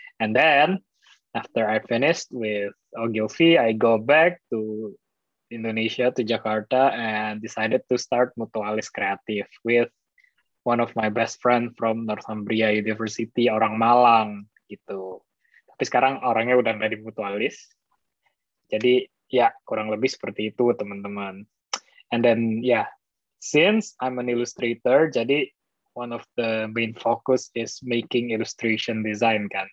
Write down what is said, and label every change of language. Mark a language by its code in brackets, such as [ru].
[en] And then after I finished with Ogilvy, I go back to Indonesia, to Jakarta, and decided to start Mutualis Creative with one of my best friend from Northumbria University, [id] orang Malang gitu. Tapi sekarang orangnya udah nggak di Mutualis. Jadi ya kurang lebih seperti itu teman-teman. [en] And then yeah, since I'm an illustrator, jadi one of the main focus is making illustration design kan.